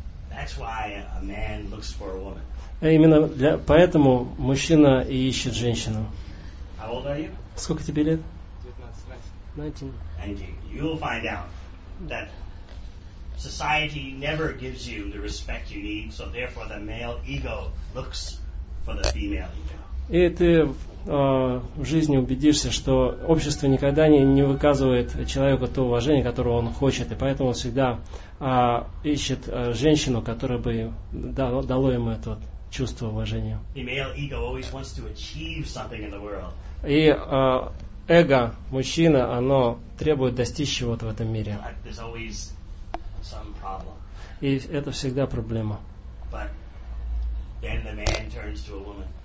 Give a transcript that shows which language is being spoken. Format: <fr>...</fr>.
<en>That's why a man looks for a woman.</en> <ru>Именно для, поэтому мужчина и ищет женщину.</ru> <en>How old are you?</en> <ru>Сколько тебе лет?</ru> <en>19. You'll find out that society never gives you the respect you need, so therefore the male ego looks for the female ego.</en> <ru>И ты в жизни убедишься, что общество никогда не выказывает человеку то уважение, которое он хочет, и поэтому он всегда ищет женщину, которая бы дала ему это вот чувство уважения.</ru> <en>The male ego always wants to achieve something in the world.</en> <ru>И эго мужчины, оно требует достичь чего-то в этом мире.</ru> <en>There's always some problem.</en> <ru>И это всегда проблема.</ru> <en>But then the man turns to a woman.</en>